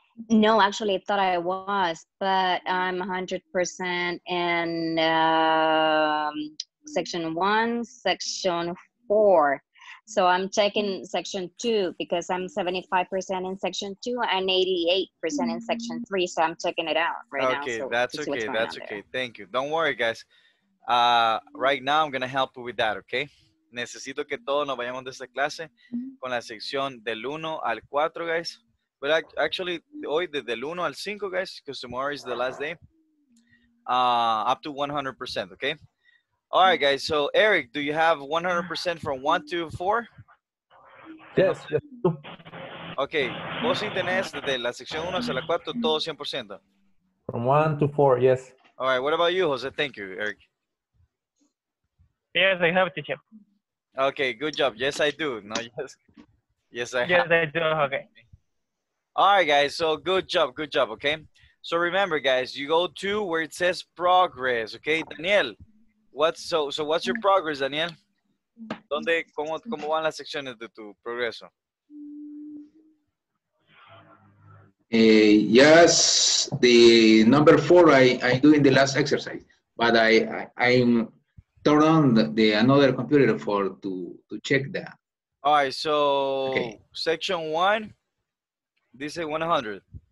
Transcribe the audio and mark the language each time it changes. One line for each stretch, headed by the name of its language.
English: No, actually, I thought I was, but I'm 100% in section 1, section 4. So I'm checking section 2 because I'm 75% in section 2 and 88% in section 3. So I'm checking it out right now. Okay, that's okay. That's okay. Thank you. Don't worry, guys. Right now I'm going to help you with that, okay?
Spanish: Necesito que todos nos vayamos de esta clase con la sección del 1 al 4, guys.
English: But actually, hoy desde el 1 al 5, guys, because tomorrow is the last day, up to 100%, okay? All right, guys. So, Eric, do you have 100% from 1 to 4? Yes. Okay.
Spanish: ¿Vos sí tenés desde la sección 1 hasta la 4 todo 100%?
English: From 1 to 4, yes. All right. What about you, Jose? Thank you, Eric. Yes, I have, teacher. Okay. Good job. Yes, I do. No, yes. Yes, I have. Yes, I do. Okay. All right, guys. So, good job, okay? So, remember, guys, you go to where it says progress, okay? Daniel. So what's your progress, Daniel?
Spanish: ¿Dónde, cómo van las secciones de tu progreso?
English: Yes, the number 4, I'm doing the last exercise. But I'm turning on the another computer for to check that. All right, so okay. Section 1, this is 100.